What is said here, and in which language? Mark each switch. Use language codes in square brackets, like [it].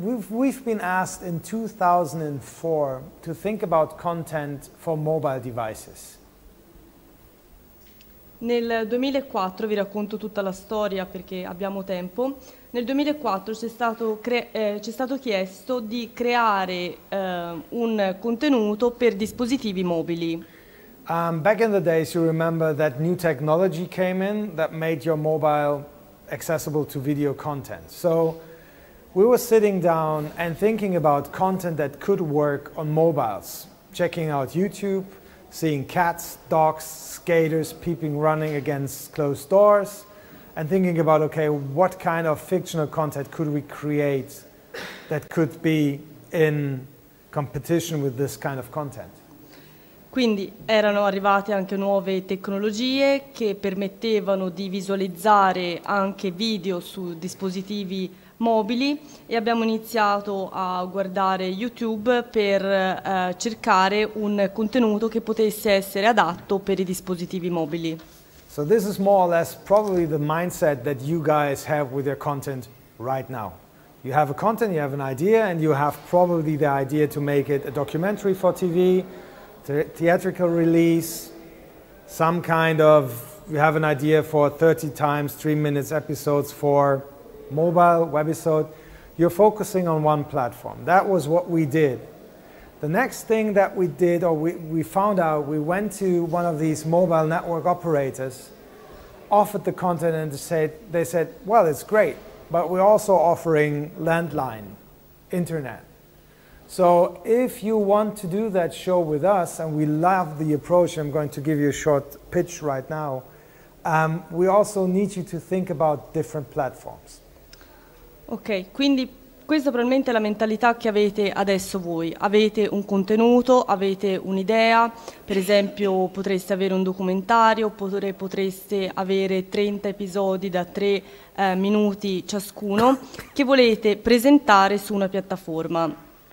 [en] We've been asked in 2004 to think about content for mobile devices. [it] Nel 2004, vi racconto tutta la storia perché abbiamo tempo, nel 2004 ci è stato chiesto di creare un contenuto per dispositivi mobili. [en] Back in the days you remember that new technology came in that made your mobile accessible to video content. So we were sitting down and thinking about content that could work on mobiles, checking out YouTube, seeing cats, dogs, skaters peeping running against closed doors, and thinking about, okay, what kind of fictional content could we create that could be in competition with this kind of content? [it] Quindi erano arrivate anche nuove tecnologie che permettevano di visualizzare anche video su dispositivi mobili e abbiamo iniziato a guardare YouTube per cercare un contenuto che potesse essere adatto per i dispositivi mobili. [en] So this is more or less probably the mindset that you guys have with your content right now. You have a content, you have an idea, and you have probably the idea to make it a documentary for TV, theatrical release, some kind of, you have an idea for 30 times 3 minutes episodes for mobile, webisode, you're focusing on one platform. That was what we did. The next thing that we did, or we found out, we went to one of these mobile network operators, offered the content and they said, well, it's great, but we're also offering landline internet. So if you want to do that show with us, and we love the approach, I'm going to give you a short pitch right now, we also need you to think about different platforms. [it] Ok, quindi questa probabilmente è la mentalità che avete adesso voi. Avete un contenuto, avete un'idea, per esempio potreste avere un documentario, potreste avere 30 episodi da 3 minuti ciascuno che volete presentare su una piattaforma.